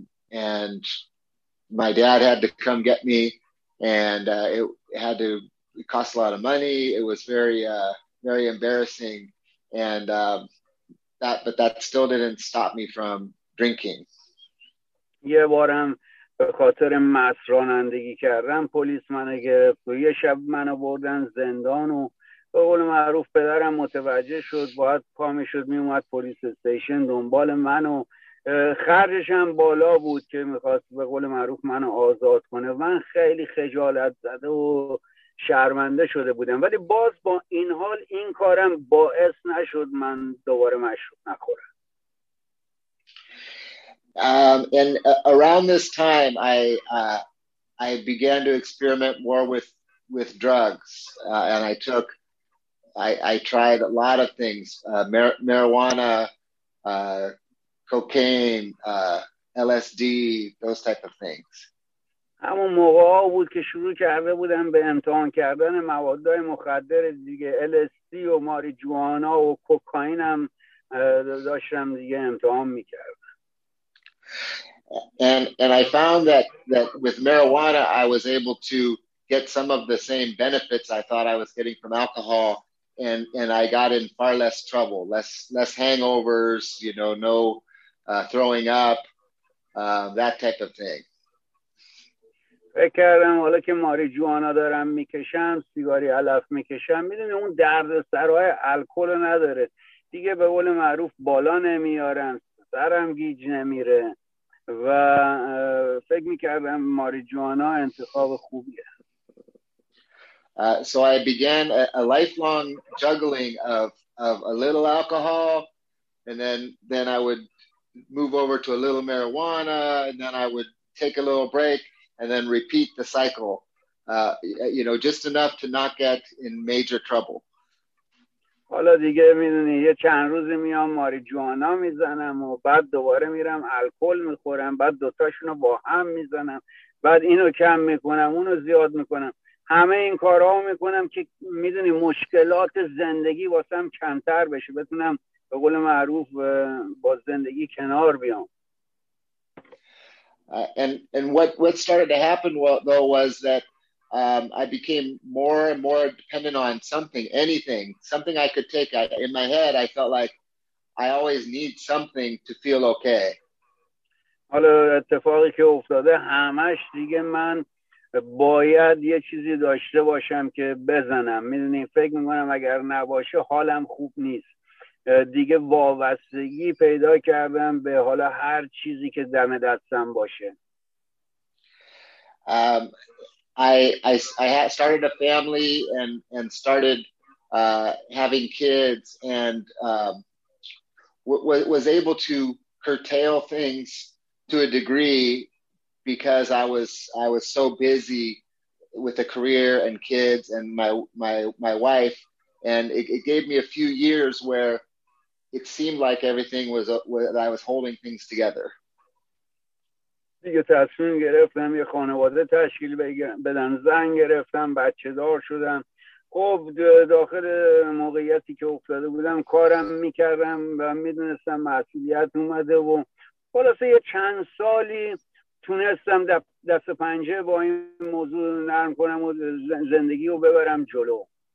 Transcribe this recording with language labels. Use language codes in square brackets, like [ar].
[en] And my dad had to come get me, and it cost a lot of money. It was very, very embarrassing. And that still didn't stop me from drinking. [fa] یه بارم به خاطر مست رانندگی کردم پلیس منو گرفت و یه شب منو بردن زندان و به قول معروف پدرم متوجه شد، باید پا میشد میومد پلیس استیشن دنبال من و خرجشم بالا بود که میخواست به قول معروف منو آزاد کنه. من خیلی خجالت زده و شرمنده شده بودم، ولی باز با این حال این کارم باعث نشد من دوباره مشروب نخورم. [en] Around this time, I began to experiment more with drugs, and I tried a lot of things, marijuana, cocaine, LSD, those type of things. [fa] همون موقع ها بود که شروع کرده بودم به امتحان کردن مواد مخدر دیگه، LSD و ماریجوانا و کوکائین هم داشتم دیگه امتحان میکردم. [en] And I found that with marijuana, I was able to get some of the same benefits I thought I was getting from alcohol, and I got in far less trouble, less hangovers, you know, no throwing up, that type of thing. [fa] فکر کردم حالا که ماری جوانا دارم میکشم، سیگاری علف میکشم، میدونی اون درد سرهای الکل نداره دیگه، به قول معروف بالا نمیارم، سرم گیج نمیره، و فکر میکردم ماری جوانا انتخاب خوبیه. [en] So I began a lifelong juggling of a little alcohol, and then I would move over to a little marijuana, and then I would take a little break, and then repeat the cycle, you know, just enough to not get in major trouble. [fa] حالا دیگه میدونی یه چند روزی میام ماری جوانا میزنم و بعد دوباره میرم الکل میخورم، بعد دوتاشون رو با هم میزنم، بعد اینو کم میکنم اونو زیاد میکنم، همه این کارها رو میکنم که میدونی مشکلات زندگی واسم کمتر بشه، بتونم به قول معروف با زندگی کنار بیام. [en] And what started to happen though was that I became more and more dependent on something, anything, something I could take. In my head, I felt like I always need something to feel okay. [fa] حالا اتفاقی که افتاده همش دیگه من باید یه چیزی داشته باشم که بزنم. میدونی فکر میکنم اگر نباشه حالم خوب نیست. دیگه وابستگی پیدا کردم به حالا هر چیزی که دم دستم باشه. [en] I had started a family and started having kids and was able to curtail things to a degree because I was so busy with a career and kids and my wife, and it gave me a few years where it seemed like everything was I was holding things together. [fa] دیگه تصمیم گرفتم یه خانواده تشکیل بدم، زن گرفتم، بچه دار شدم. خب داخل موقعیتی که افتاده بودم کارم میکردم و میدونستم مسئولیت اومده و خلاصه یه چند سالی تونستم دست پنجه با این موضوع نرم کنم و زندگی رو ببرم جلو.